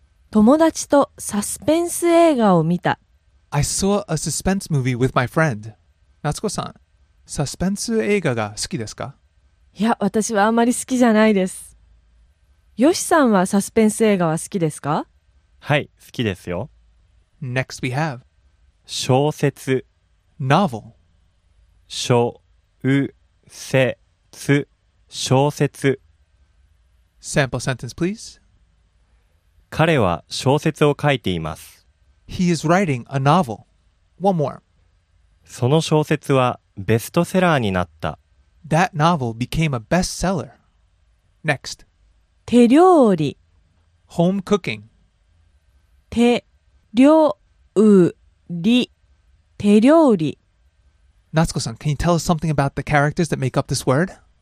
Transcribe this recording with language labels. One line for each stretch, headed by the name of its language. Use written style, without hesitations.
Japanese: 友達とサスペンス映画を見た。
English: I saw a suspense movie with my friend.
Japanese: Natsuko-san, サスペンス映画が好きですか? いや、私はあまり好きじゃないです。ヨシさんはサスペンス映画は好きですか? はい、好きですよ。
English: Next we have
Japanese: 小説
English: Novel
Japanese: 小説 小説
English: Sample sentence, please.
Japanese: 彼は小説を書いています。
English: He is writing a novel. One more.
Japanese: その小説はベストセラーになった。
English: That novel became a bestseller. Next.
Japanese: 手料理
English: Home cooking.
Japanese: 手料理 手料理
English: Natsuko-san, can you tell us something about the characters that make up this word?